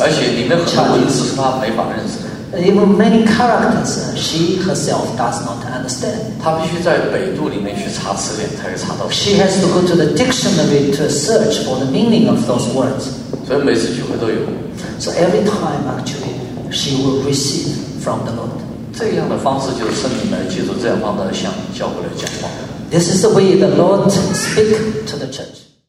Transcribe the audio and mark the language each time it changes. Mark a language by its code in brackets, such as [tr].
[zh] 而且里面很多文字是她没法认识的。 [en] Even many characters, she herself does not understand. [zh] 她必须在百度里面去查词典，才能查到。 [en] She has to go to the dictionary to search for the meaning of those words. [zh] 所以每次聚会都有。 [en] So every time, actually, she will receive from the Lord. [zh] 这样的方式就是圣灵来借助这样方式向教会来讲话。 [en] This is the way the Lord speaks to the church.